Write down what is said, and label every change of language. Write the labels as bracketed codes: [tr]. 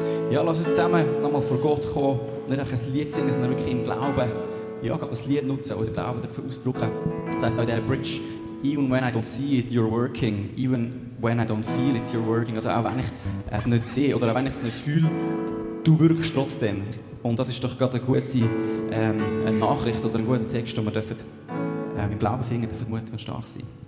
[de] Ja, lass uns zusammen nochmal vor Gott kommen. Nicht einfach ein Lied singen, sondern wirklich im Glauben. Ja, gerade das Lied nutzen, unseren Glauben dafür ausdrücken. Das heisst auch in dieser Bridge: [en] Even when I don't see it, you're working. Even when I don't feel it, you're working. [de] Also auch wenn ich es nicht sehe oder auch wenn ich es nicht fühle, du wirkst trotzdem. Und das ist doch gerade eine gute eine Nachricht oder einen guten Text, den wir dürfen, im Glauben singen dürfen, mutig und stark sein.